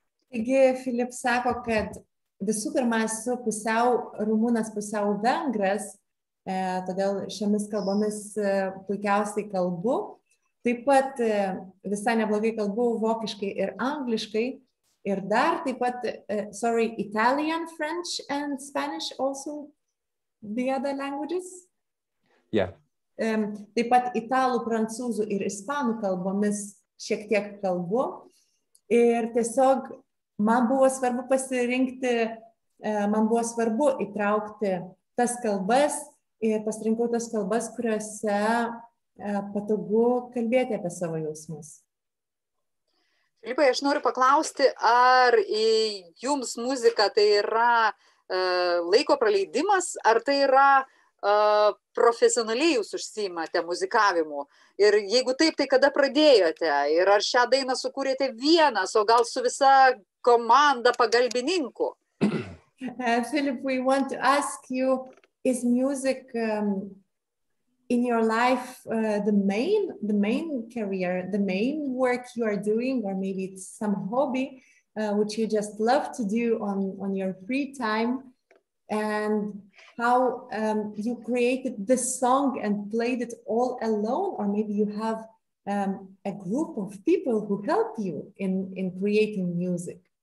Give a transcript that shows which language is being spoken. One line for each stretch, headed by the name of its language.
Lithuanian: Taigi, Filip sako, kad visų pirma, esu pusiau rumunas, pusiau vengras, todėl šiomis kalbomis puikiausiai kalbu. Taip pat visai neblogai kalbu vokiškai ir angliškai. Ir dar taip pat,
English: Italian, French and Spanish also the other languages? Yeah.
Lithuanian: Taip pat italų, prancūzų ir ispanų kalbomis šiek tiek kalbu. Ir tiesiog man buvo svarbu pasirinkti, man buvo svarbu įtraukti tas kalbas ir pasirinkau tas kalbas, kuriuose patogu kalbėti apie savo jausmus. Filipai, aš noriu paklausti, ar jums muzika tai yra laiko praleidimas, ar tai yra profesionaliai jūs užsiimate muzikavimu? Ir jeigu taip, tai kada pradėjote? Ir ar šią dainą sukūrėte vienas, o gal su visa komanda pagalbininkų.
English: Philip, we want to ask you, is music in your life the main career, the main work you are doing, or maybe it's some hobby which you just love to do on your free time, and how you created this song and played it all alone, or maybe you have a group of people who help you in creating music.